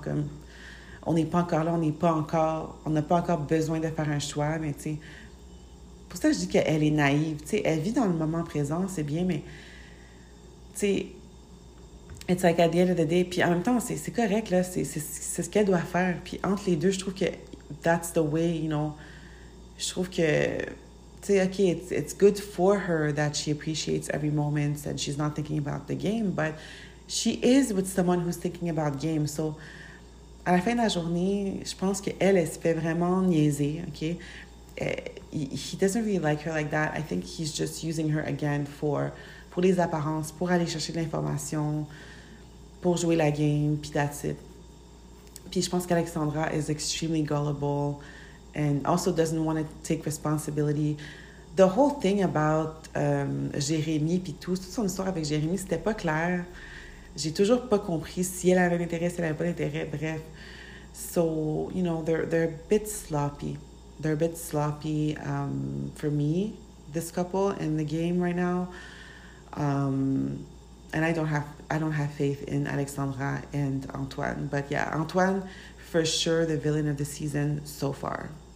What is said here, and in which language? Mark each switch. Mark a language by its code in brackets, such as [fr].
[fr] Comme, on n'est pas encore là, on n'est pas encore, on n'a pas encore besoin de faire un choix, mais tu sais. Pour ça, je dis qu'elle est naïve. T'sais, elle vit dans le moment présent, c'est bien, mais... [en] Tu sais, it's like at the end of the day. [fr] Puis en même temps, c'est correct, là. C'est ce qu'elle doit faire. Puis entre les deux, je trouve que [en] that's the way, you know. [fr] Je trouve que... [en] Tu sais, OK, it's good for her that she appreciates every moment and she's not thinking about the game, but she is with someone who's thinking about game. [fr] So, à la fin de la journée, je pense qu'elle, elle se fait vraiment niaiser, OK? [en] He doesn't really like her like that. I think he's just using her again [fr] pour les apparences, pour aller chercher de l'information, pour jouer la game, puis [en] that's it. [fr] Puis je pense qu'Alexandra [en] is extremely gullible and also doesn't want to take responsibility. The whole thing about Jérémy [fr] puis tout, toute son histoire avec Jérémy, c'était pas clair. J'ai toujours pas compris si elle avait intérêt, si elle avait pas d'intérêt, bref. [en] So, you know, they're a bit sloppy. They're a bit sloppy for me, this couple, in the game right now. And I don't have faith in Alexandra and Antoine. But yeah, Antoine, for sure, the villain of the season so far.